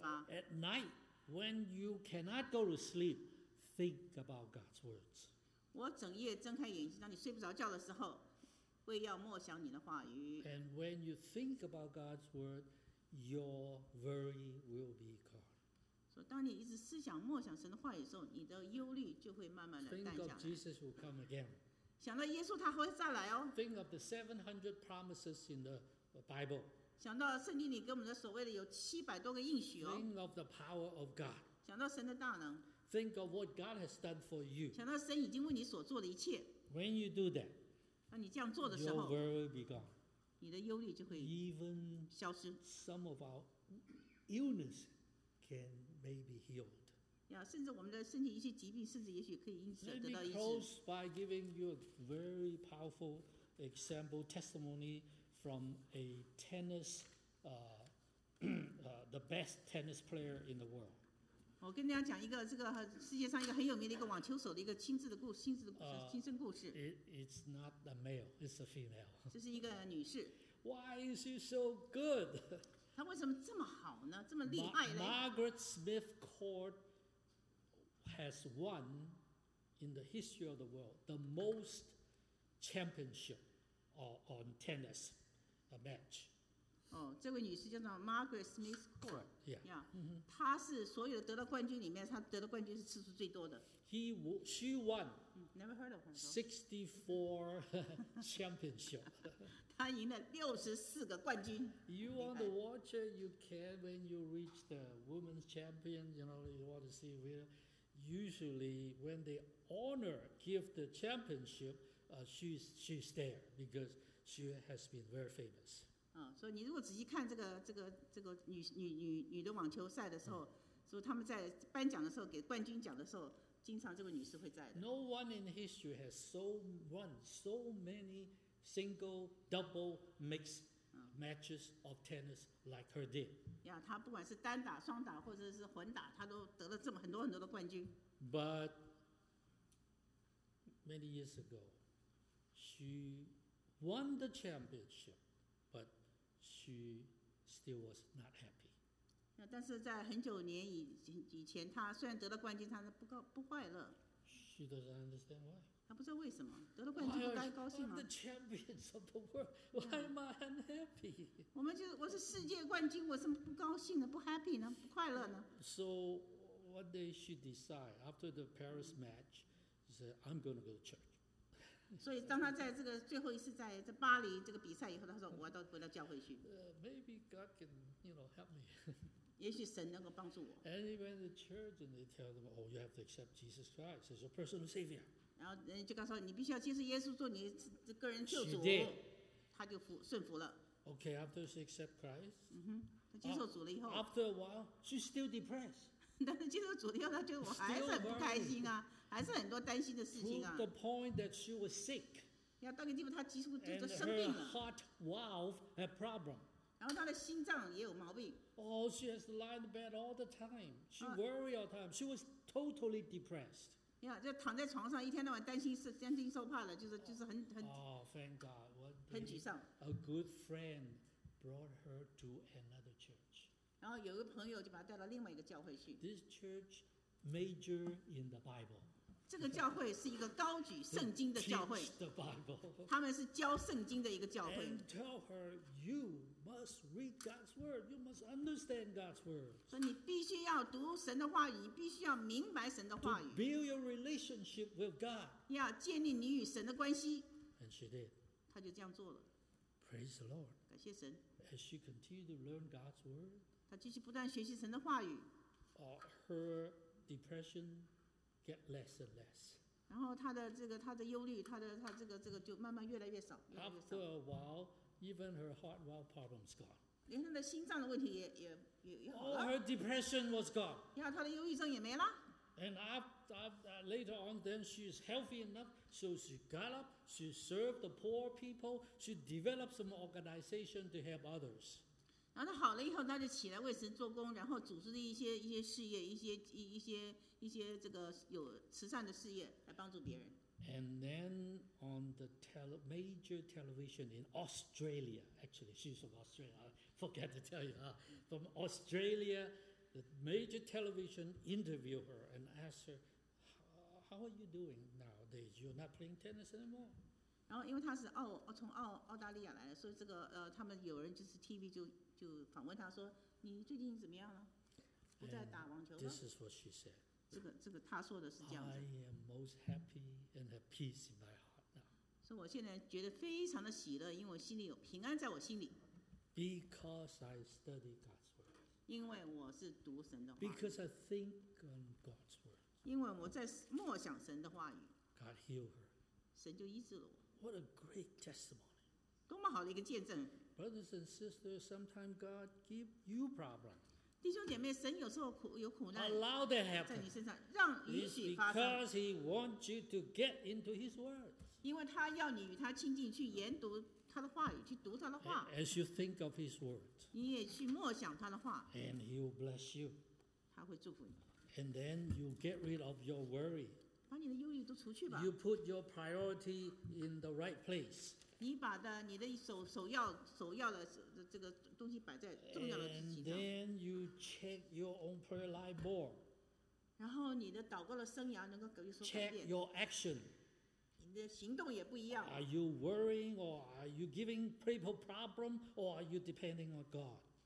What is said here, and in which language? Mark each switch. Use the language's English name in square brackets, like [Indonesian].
[English] At night, when you cannot go to sleep, think about God's words. [Chinese] 我整夜睁开眼睛，当你睡不着觉的时候，为要默想你的话语。 [English] And when you think about God's word, your worry will be gone. [Chinese] 说当你一直思想默想神的话语的时候，你的忧虑就会慢慢的淡下来。 [English] Think of Jesus will come again. [Chinese] 想到耶稣他会再来哦。 [English] Think of the 700 promises in the Bible. [Chinese] 想到圣经里给我们的所谓的有700多个应许哦。 [English] Think of the power of God. [Chinese] 想到神的大能。 [English] Think of what God has done for you. [Chinese] 想到神已经为你所做的一切。 [English] When you do that, [Chinese] 当你这样做的时候 [English] your worry will be gone. [Chinese] 你的忧虑就会 [English] even [Chinese] 消失。 [English] Some of our illness can may be healed. [Chinese] Yeah, 甚至我们的身体一些疾病，甚至也许可以因此得到医治。 [English] Let me close by giving you a very powerful example testimony from a tennis, the best tennis player in the world. [Chinese] 我跟大家讲一个这个世界上一个很有名的一个网球手的一个亲自的故事，亲身故事。 [English] It's not a male, it's a female. [Chinese] 这是一个女士。 [English] Why is she so good? [Chinese] 他为什么这么好呢？这么厉害呢 [English] ？Margaret Smith Court has won in the history of the world the most championship on tennis a match. [Chinese] 哦，这位女士叫做 Margaret Smith [English] Court. Yeah. Yeah. [Chinese] 她是所有得到冠军里面，她得到冠军是次数最多的。 [English] She won. Never heard of her. 64 championship. [Chinese] 他赢了64个冠军。 [English] You want to watch it? You can when you reach the women's champion. You know, you want to see where. Usually, when they honor, give the championship, she's there because she has been very famous. [Chinese] 所以你如果仔细看这个女的网球赛的时候，所以他们在颁奖的时候给冠军奖的时候。经常这位女士会在的。 [English] No one in history has so won so many single, double, mixed matches of tennis like her did. [Chinese] Yeah, 她不管是单打、双打或者是混打，她都得了这么很多很多的冠军。 [English] But many years ago, she won the championship, but she still was not happy. [Chinese] 但是在很久年以前，他虽然得了冠军，他是不快乐。 [English] She doesn't understand why. [Chinese] 他不知道为什么得了冠军不该高兴吗 [English] ？I'm the champion of the world. Why am I unhappy? [Chinese] 我是世界冠军，我怎么不高兴呢？不 happy 呢？不快乐呢 [English] ？So one day she decided after the Paris match, she said, "I'm going to go to church." [Chinese] 所以当他在这个最后一次在这巴黎这个比赛以后，他说：“我要到回到教会去。 [English] ”Maybe God can, you know, help me. [Chinese] 也许神能够帮助我。 [English] And he went to church and they tell them, "Oh, you have to accept Jesus Christ as your personal savior." [Chinese] 然后人就告诉你必须要接受耶稣做你这个人救主。 [English] She did. [Chinese] 他就顺服了。 [English] Okay, after she accept Christ. [Chinese] 他接受主了以后。 [English] After a while, she's still depressed. [Chinese] 但是接受主了以后，他觉得我还是很不开心啊，还是很多担心的事情啊。 [English] To the point that she was sick. [Chinese] 要到个地步，他几乎就生病了。 [English] And her heart valve had problem. [Chinese] 然后他的心脏也有毛病。 [English] Oh, she has to lie in bed all the time. She worry all the time. She was totally depressed. [Chinese] Yeah, 就躺在床上一天到晚担惊受怕了，就是很 [English] Oh, thank God. What? [Chinese] 很沮丧。 [English] A good friend brought her to another church. [Chinese] 然后有一个朋友就把她带到另外一个教会去。 [English] This church major in the Bible. [Chinese] 这个教会是一个高举圣经的教会。 [English] The Bible. [Chinese] 他们是教圣经的一个教会。 [English] And tell her you. Must read God's word. You must understand God's word. [Chinese] 所以你必须要读神的话语，你必须要明白神的话语。 [English] To build your relationship with God. [Chinese] 要建立你与神的关系。 [English] And she did. [Chinese] 她就这样做了。 [English] Praise the Lord. [Chinese] 感谢神。 [English] As she continued to learn God's word. [Chinese] 她继续不断学习神的话语。 [English] Her depression get less and less. [Chinese] 然后她的这个她的忧虑，她这个就慢慢越来越少。 [English] After a while. Even her heart valve problem is gone. [Chinese] 连她的心脏的问题也好了。 [English] All her depression was gone. [Chinese] 然后她的忧郁症也没了。 [English] And after later on, then she's healthy enough, so she got up, she served the poor people, she developed some organization to help others. [Chinese] 然后她好了以后，她就起来为神做工，然后组织了一些事业，一些这个有慈善的事业来帮助别人。 [English] And then on the major television in Australia, actually, she's from Australia, I forgot to tell you, from Australia, the major television interviewed her and asked her, how are you doing nowadays? You're not playing tennis anymore? [Chinese] 然后因为她是从澳大利亚来的，所以这个他们有人就是 TV 就访问她说，你最近怎么样了？不再打网球了。 [English] This is what she said. [Chinese] 这个她说的是这样子。 [English] I am most happy and at peace in my heart now. [Chinese] 所以我现在觉得非常的喜乐，因为我心里有平安在我心里。 [English] Because I study God's word. [Chinese] 因为我是读神的话。 [English] Because I think on God's word. [Chinese] 因为我在默想神的话语。 [English] God healed her. [Chinese] 神就医治了我。 [English] What a great testimony. [Chinese] 多么好的一个见证。 [English] Brothers and sisters, sometimes God give you problems. [Chinese] 弟兄姐妹，神有时候有苦难。 [English] Allow that happen. [Chinese] 在你身上，让允许发生。 [English] It's because He wants you to get into His word. [Chinese] 因为他要你与他亲近，去研读他的话语，去读他的话。 [English] As you think of His word. [Chinese] 你也去默想他的话。 [English] And He will bless you. [Chinese] 他会祝福你。 [English] And then you get rid of your worry. [Chinese] 把你的忧虑都除去吧。 [English] You put your priority in the right place. [Chinese] 你把的你的首要的这个东西摆在重要的事情上。 [English] And then you check your own prayer life more. [Chinese] 然后你的祷告的生涯能够给你说。 [English] Check your action. [Chinese] 你的行动也不一样。 [English] Are you worrying or are you giving people problem or are you depending on God?